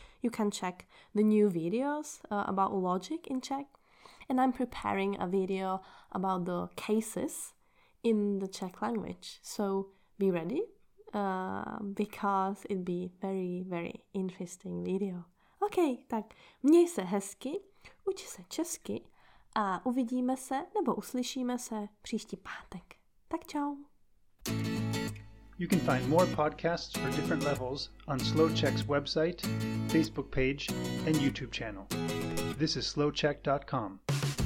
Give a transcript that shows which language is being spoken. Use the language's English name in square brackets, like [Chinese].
[English] You can check the new videos about logic in Czech. And I'm preparing a video about the cases in the Czech language. So be ready because it'd be very, very interesting video. [Czech] Okay, tak měj se hezky. Uč se česky a uvidíme se nebo uslyšíme se příští pátek. Tak čau. [English] You can find more podcasts for different levels on SlowCzech's website, Facebook page and YouTube channel. This is slowczech.com.